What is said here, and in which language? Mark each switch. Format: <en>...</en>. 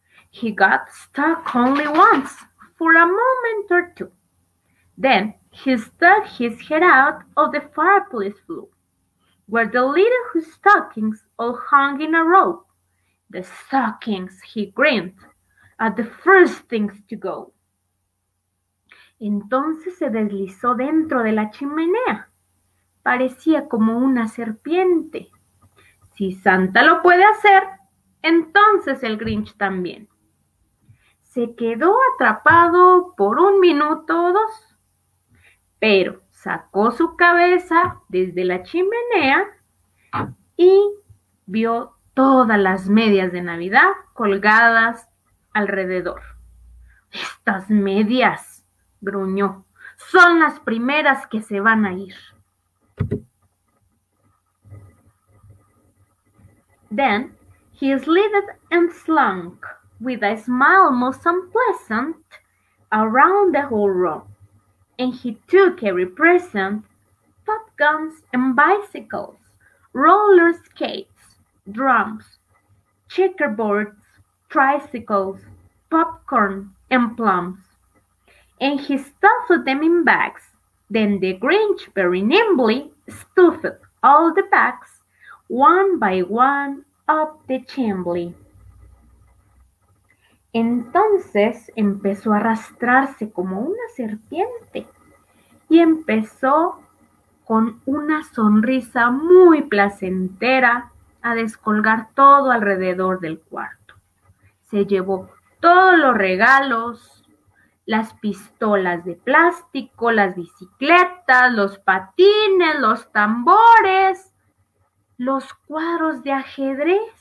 <en>He got stuck only once for a moment or two. Then he stuck his head out of the fireplace flue, where the little stockings all hung in a row. The stockings, he grinned, are the first things to go.</en> <es>Entonces se deslizó dentro de la chimenea. Parecía como una serpiente. Si Santa lo puede hacer, entonces el Grinch también. Se quedó atrapado por un minuto o dos, pero sacó su cabeza desde la chimenea y vio todas las medias de Navidad colgadas alrededor. Estas medias, gruñó, son las primeras que se van a ir.</es> <en>Then he slid and slunk with a smile most unpleasant around the whole room, and he took every present, pop guns and bicycles, roller skates, drums, checkerboards, tricycles, popcorn and plums, and he stuffed them in bags. Then the Grinch very nimbly stuffed all the bags one by one up the chimney.</en> <es>Entonces empezó a arrastrarse como una serpiente y empezó con una sonrisa muy placentera a descolgar todo alrededor del cuarto. Se llevó todos los regalos, las pistolas de plástico, las bicicletas, los patines, los tambores, los cuadros de ajedrez.</es>